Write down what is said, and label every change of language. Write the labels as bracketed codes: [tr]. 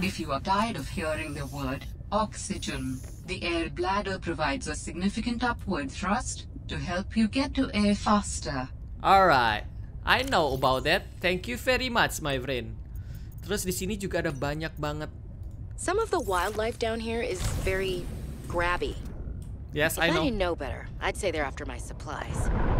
[en] If you are tired of hearing the word oxygen... The air bladder provides a significant upward thrust to help you get to air faster. Alright, I know about that. Thank you very much, my friend. [id] Terus di sini juga ada banyak banget. [en] Some of the wildlife down here is very grabby. Yes, if I know. If I know better, I'd say they're after my supplies.